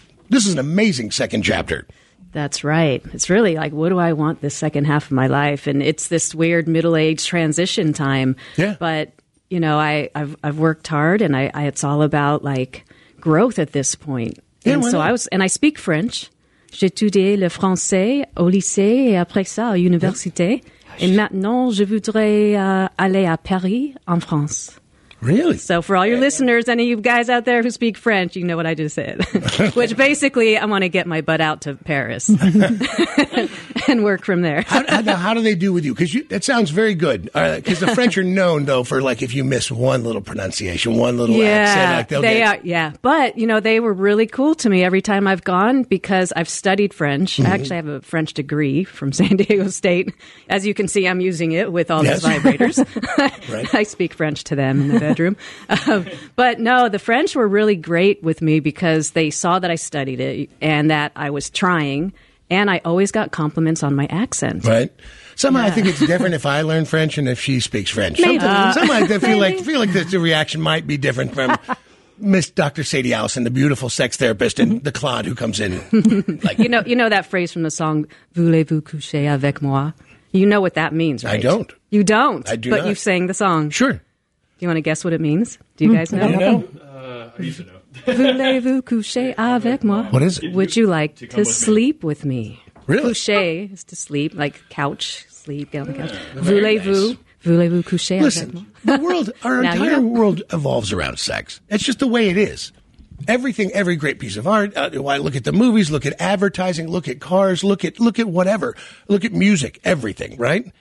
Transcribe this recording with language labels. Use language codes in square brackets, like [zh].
[en] This is an amazing second chapter. That's right. It's really like, what do I want this second half of my life? And it's this weird middle age transition time. Yeah. But, you know, I've worked hard and I it's all about like growth at this point. Yeah, and so not? I speak French. [fr] J'ai étudié le français au lycée et après ça à l'université. [en] Yeah. [fr] Et maintenant, je voudrais aller à Paris en France. [en] Really? So for all your listeners, any of you guys out there who speak French, you know what I just said. Which basically, I want to get my butt out to Paris and work from there. How do they do with you? Because that sounds very good. Because the French are known, though, for like if you miss one little pronunciation, one little accent. Like, Yeah. But, you know, they were really cool to me every time I've gone because I've studied French. Mm-hmm. I actually have a French degree from San Diego State. As you can see, I'm using it with all these vibrators. Right. I speak French to them in the bedroom. But no, the French were really great with me because they saw that I studied it and that I was trying. And I always got compliments on my accent. Right. I think it's different if I learn French and if she speaks French. Maybe. Sometimes I feel like the reaction might be different from Miss Dr. Sadie Allison, the beautiful sex therapist, and the Claude who comes in. Like, you know that phrase from the song, [fr] Voulez-vous coucher avec moi? [en] You know what that means, right? I don't. You don't? I do But not. You sang the song. Sure. Do you want to guess what it means? Do you guys know? I don't know. [fr] Voulez-vous coucher avec moi? [en] What is it? Would you like to sleep with me? Really? Coucher is to sleep, like couch, sleep, get on the couch. [fr] Voulez-vous? Voulez-vous coucher? [en] Listen, the world, our entire world evolves around sex. That's just the way it is. Everything, every great piece of art, why look at the movies, look at advertising, look at cars, look at whatever, look at music, everything, right?